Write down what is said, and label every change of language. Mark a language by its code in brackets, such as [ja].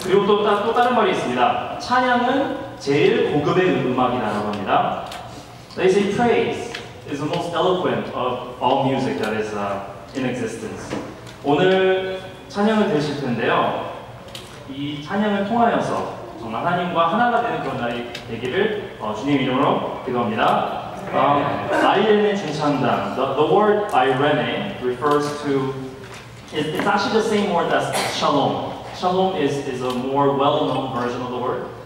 [ko] 그리고 또 다른 말이 있습니다. 찬양은 제일 고급의 음악이라고 합니다. [en] They say praise is the most eloquent of all music that is in existence. [ko] 오늘 찬양을 들으실 텐데요. 이 찬양을 통하여서 정말 하나님과 하나가 되는 그런 날이 되기를 주님 이름으로 기도합니다. Irene 진창단. [en] The word Irene refers to, it's actually the same word as shalom. Shalom is a more well-known version of the word.